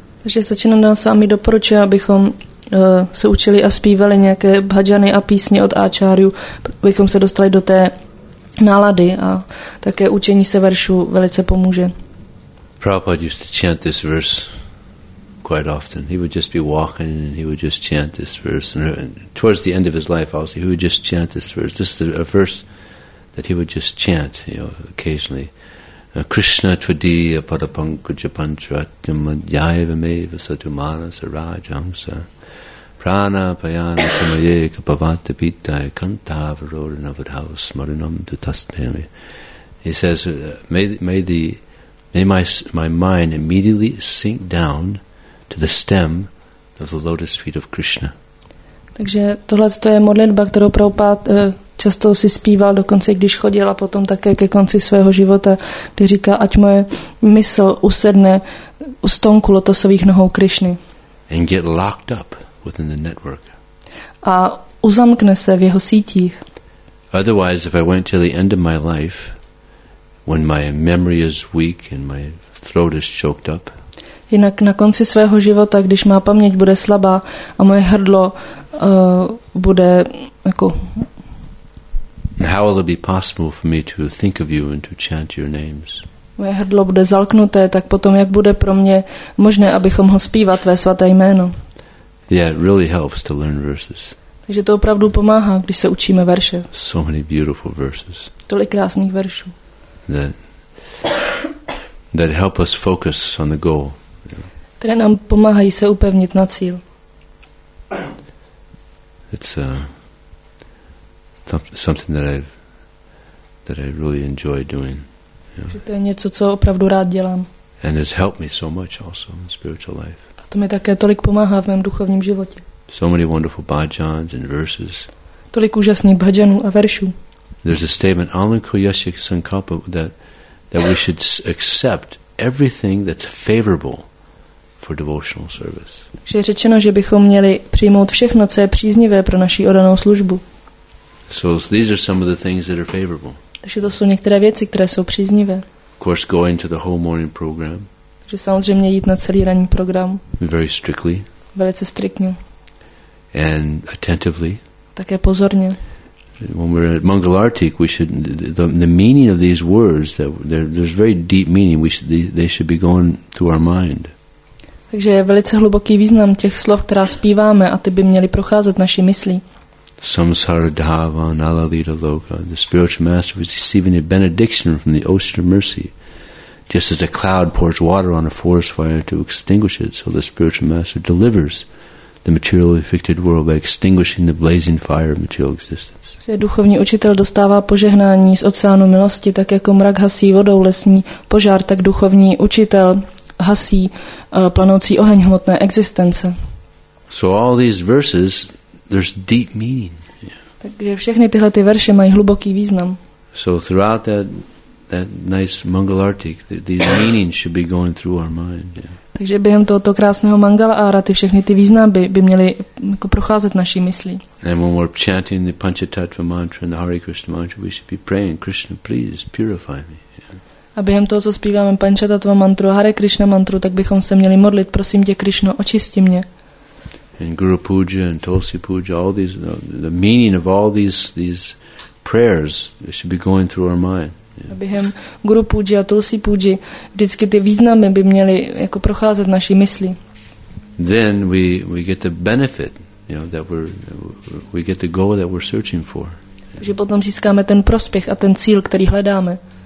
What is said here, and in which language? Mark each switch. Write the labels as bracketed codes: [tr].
[cs] Takže Sachinanda Swami doporučuje, abychom se učili a zpívali nějaké bhajany a písně od áčárů, abychom se dostali do té nálady a také učení se veršů velice pomůže. [en] Prabhupada used to chant this verse quite often. He would just be walking and he would just chant this verse. And towards the end of his life also, he would just chant this verse. This is a verse that he would just chant, you know, occasionally. [sa] Krishna tvadiya padapankuja pancharatyam adhyayavameva satumana sarajamsa prana payana samaye kapavata pitaya kantavarodha navadhava smarinam tutasthemi. [en] He says, may my mind immediately sink down to the stem of the lotus feet of Krishna. [cs] Takže tohle to je modlitba, kterou Prabhupád často si zpíval, dokonce když chodil a potom také ke konci svého života, kdy říká, ať moje mysl usedne u stonku lotosových nohou Krishny. [en] And get locked up within the network. [cs] A uzamkne se v jeho sítích. [en] Otherwise, if I went to the end of my life, when my memory is weak and my throat is choked up, [cs] jinak na konci svého života, když má paměť bude slabá a moje hrdlo bude jako... [en] How will it be possible for me to think of you and to chant your names? [cs] Moje hrdlo bude zalknuté, tak potom jak bude pro mě možné, abychom ho zpívat tvé svaté jméno? [en] Yeah, it really helps to learn verses. [cs] Takže to opravdu pomáhá, když se učíme verše. [en] So many beautiful verses. [cs] Tolik krásných veršů. [en] That help us focus on the goal. [cs] Které nám pomáhají se upevnit na cíl. [en] It's something that I really enjoy doing. [cs] Že to je něco, co opravdu rád dělám. [en] And it's helped me so much also in spiritual life. [cs] A to mi také tolik pomáhá v mém duchovním životě. [en] So many wonderful bhajans and verses. [cs] Tolik úžasných bhajanů a veršů. [en] There's a statement [sa] Alanko Yashik Sankalpa [en] that we should accept everything that's favorable for devotional service. [cs] Že je řečeno, že bychom měli přijmout všechno, co je příznivé pro naši oddanou službu. [en] So these are some of the things that are favorable. [cs] Takže to jsou některé věci, které jsou příznivé. [en] Of course, going to the whole morning program. [cs] Takže samozřejmě jít na celý ranní program. [en] Very strictly. [cs] Velice striktně. [en] And attentively. [cs] Také pozorně. [en] when we're at Mangalartik, we should the meaning of these words that there's very deep meaning. They should be going through our mind. [cs] Takže je velice hluboký význam těch slov, která zpíváme, a ty by měly procházet naší myslí. [sa] Samsara dhava nalalita loka. [en] The spiritual master was receiving a benediction from the ocean of mercy. Just as a cloud pours water on a forest fire to extinguish it, so the spiritual master delivers the material afflicted world by extinguishing the blazing fire of material existence. [cs] Že duchovní učitel dostává požehnání z oceánu milosti, tak jako mrak hasí vodou lesní požár, tak duchovní učitel hasí planoucí oheň hmotné existence. [en] So all these verses, there's deep meaning. [cs] Takže všechny tyhle ty verše mají hluboký význam. [en] So throughout that nice Mangalartik, these meanings should be going through our mind. [cs] Takže během tohoto krásného Mangalára ty všechny ty významy by měly jako procházet naší myslí. [en] And when we're chanting the Panchatattva mantra and the Hare Krishna mantra, we should be praying, Krishna, please purify me. [cs] A během toho, co zpíváme Panchatattva mantru a Hare Krishna mantru, tak bychom se měli modlit, prosím tě, Krishno, očisti mě. [en] And Guru Puja and Tulsi Puja, all these, the meaning of all these prayers should be going through our mind. [cs] A během Guru Puja a Tulsi Puja, vždycky ty významy by měly jako procházet naší myslí. [en] Then we get the benefit, you know, that we get the goal that we're searching for. [cs] Takže potom získáme ten prospěch a ten cíl, který hledáme.